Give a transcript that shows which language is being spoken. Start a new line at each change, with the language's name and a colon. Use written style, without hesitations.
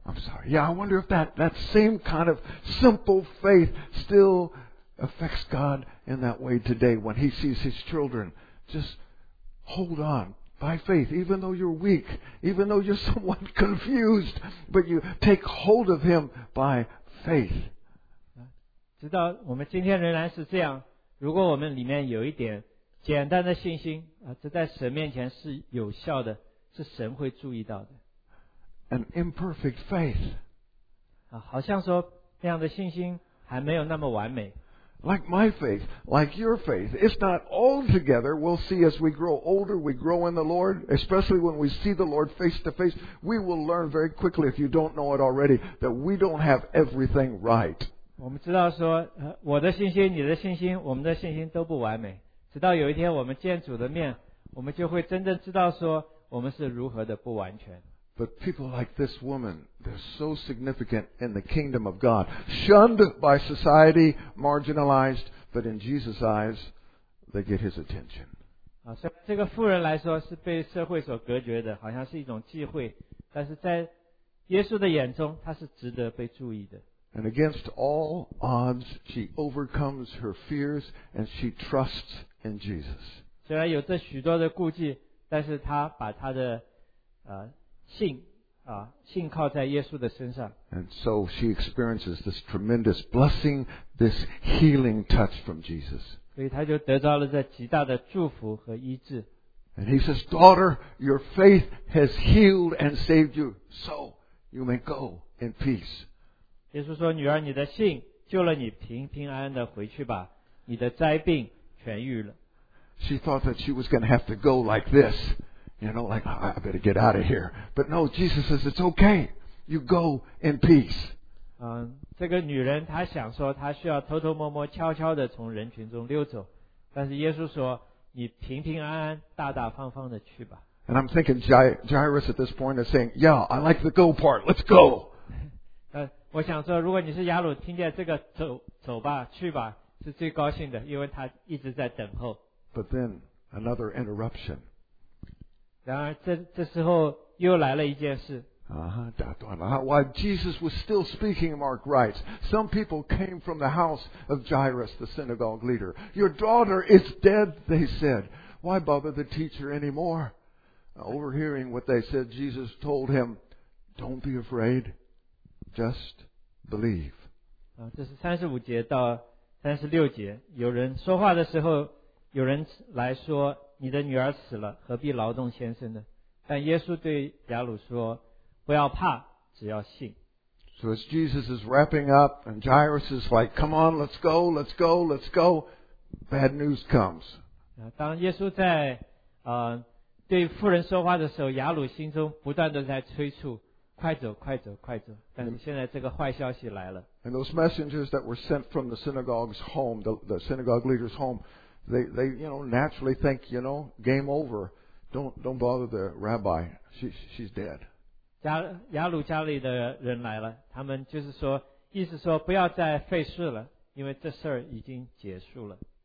English: I'm sorry. Yeah, I wonder if that same kind of simple faith still affects God in that way today when He sees His children. Just hold on by faith, even though you're weak, even though you're somewhat confused, but you take hold of Him by faith.
Chinese: 直到我们今天仍然是这样，如果我们里面有一点简单的信心啊，这在神面前是有效的。是神会注意到的。
English: An imperfect faith.
Chinese: 啊，好像说那样的信心还没有那么完美。
English: Like my faith, like your faith, it's not altogether. We'll see as we grow older, we grow in the Lord, especially when we see the Lord face to face. We will learn very quickly, if you don't know it already, that we don't have everything right.
Chinese: 我们知道说，我的信心、你的信心、我们的信心都不完美。直到有一天我们见主的面，我们就会真正知道说。我们是如何的不完全。
English: But people like this woman, they're so significant in the kingdom of God. Shunned by society, marginalized, but in Jesus' eyes, they get His attention.
Chinese: 啊，所以这个妇人来说是被社会所隔绝的，好像是一种忌讳，但是在耶稣的眼中，她是值得被注意的。
English: And against all odds, she overcomes her fears and she trusts in Jesus.
Chinese: 虽然有着许多的顾忌。但是他把他的信靠在耶稣的身上。
English: And so she experiences this tremendous blessing, this healing touch from Jesus.
Chinese: 所以他就得到了这极大的祝福和医治。
English: And he says, "Daughter, your faith has healed and saved you. So you may go in peace."
Chinese: 耶稣说，女儿，你的信救了你，平平安安的回去吧，你的灾病痊愈了。
English: She thought that she was going to have to go like this, you know, like, I better get out of here. But no, Jesus says, it's okay. You go in peace.
Chinese: 这个女人她想说她需要偷偷摸摸悄悄地从人群中溜走。但是耶稣说你平平安安大大方方地去吧。
English: And I'm thinking Jairus at this point is saying, yeah, I like the go part. Let's go.
Chinese: 我想说如果你是雅鲁听见这个走走吧去吧是最高兴的因为她一直在等候。
English: But then another interruption.
Chinese: 然而这时候又来了一件事。打断了。
English: While Jesus was still speaking, Mark writes, some people came from the house of Jairus, the synagogue leader. Your daughter is dead, they said. Why bother the teacher anymore? Overhearing what they said, Jesus told him, Don't be afraid, just believe.
Chinese: 这是35节到36节。有人说话的时候有人来说你的女儿死了何必劳动先生呢但耶稣对雅鲁说不要怕只要信
English: So as Jesus is wrapping up and Jairus is like come on let's go let's go let's go bad news comes
Chinese: 当耶稣在对妇人说话的时候雅鲁心中不断地在催促快走快走快走但是现在这个坏消息来了
English: And those messengers that were sent from the synagogue's home the synagogue leader's homeThey you know, naturally think, you know, game over. Don't bother the rabbi. She's dead.
Chinese: 雅鲁家里的人来了，他们就是说，意思说不要再费事了，因为这事儿已经结束了。